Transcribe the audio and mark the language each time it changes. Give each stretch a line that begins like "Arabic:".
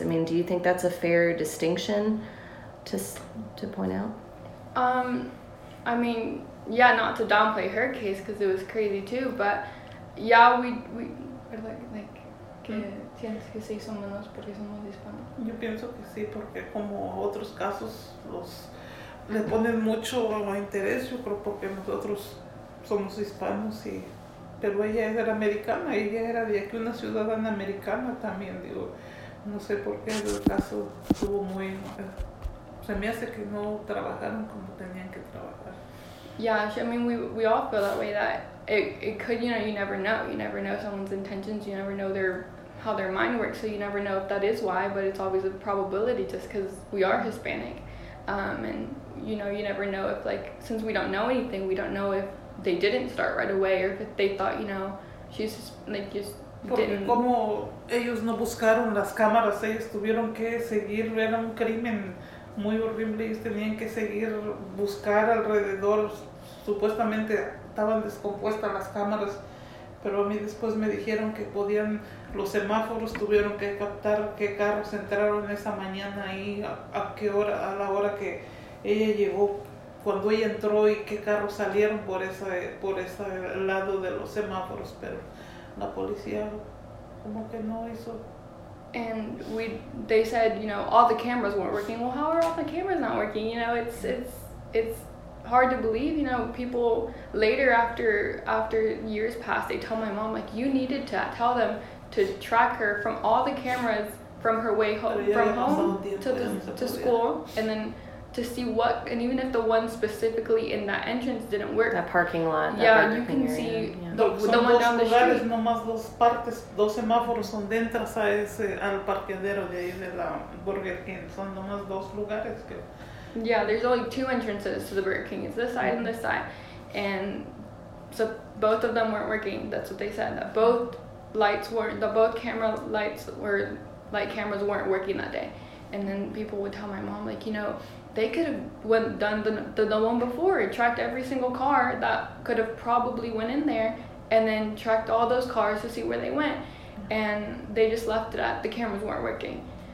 English: I mean, do you think that's a fair distinction to point out? I mean, yeah, not to downplay her case because it was crazy too, but yeah, we are like
Spanish: tienes que ser hispanos porque somos hispanos. Yo pienso que sí, porque como otros casos los le ponen mucho interés, yo creo, porque nosotros somos hispanos y pero ella era americana, ella era de aquí, una ciudadana americana también, digo, no sé por qué el caso estuvo muy, se me hace que no trabajaron como tenían que trabajar.
English: Yeah, I mean, we all feel that way, that it could, you know, you never know someone's intentions, you never know how their mind works, so you never know if that is why, but it's always a probability just because we are Hispanic. And you know, you never know if, like, since we don't know anything, we don't know if they didn't start right away or if they thought, you know, she's just, like, just
Spanish: porque
English: didn't.
Spanish: Como ellos no buscaron las cámaras, ellos tuvieron que seguir, era un crimen muy horrible, ellos tenían que seguir buscar alrededor, supuestamente estaban descompuestas las cámaras. Pero a mí después me dijeron que podían, los semáforos tuvieron que captar qué carros entraron esa mañana ahí, a qué hora, a la hora que ella llegó, cuando ella entró y qué carros salieron por ese lado de los semáforos, pero la policía como que no hizo.
English: And we, they said, you know, all the cameras weren't working. Well, how are all the cameras not working? You know, it's hard to believe. You know, people later after years passed, they tell my mom, like, you needed to tell them to track her from all the cameras from her way home, from home to school, and then to see what, and even if the one specifically in that entrance didn't work. That parking lot. That yeah, parking you can area. See yeah. The one down the street.
Spanish: No más dos partes, dos semáforos son dentro a ese, al parqueadero de ahí de la Burger King. Son no más dos lugares que...
English: Yeah, there's only two entrances to the Burger King. It's this side mm-hmm. and this side. And so both of them weren't working. That's what they said. That both lights weren't, the both camera lights were, light cameras weren't working that day. And then people would tell my mom, like, you know, they could have went done the one before, tracked every single car that could have probably went in there, and then tracked all those cars to see where they went, and they just left it at the cameras weren't working.